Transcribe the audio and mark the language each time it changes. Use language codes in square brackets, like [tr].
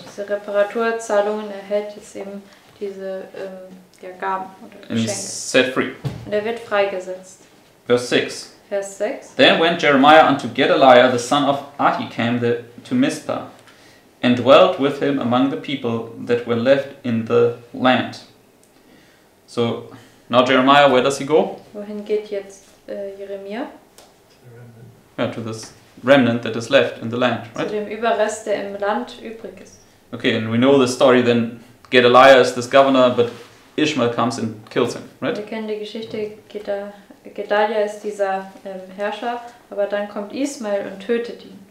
[de] Diese Reparaturzahlungen erhält jetzt eben diese Gaben oder Geschenke. [en] And he's set free. [de] Und wird freigesetzt. [en] Verse 6. Then went Jeremiah unto Gedaliah the son of Ahikam to Mizpah, and dwelt with him among the people that were left in the land. So, now Jeremiah, where does he go? [de] Wohin geht jetzt Jeremia? [en] Yeah, to this remnant that is left in the land, right? [de] Zu dem Überrest, der im Land übrig ist. [en] Okay, and we know the story then. Gedaliah is this governor, but Ishmael comes and kills him, right? [de] Wir kennen die Geschichte. Gedaliah ist dieser Herrscher, aber dann kommt Ishmael und tötet ihn.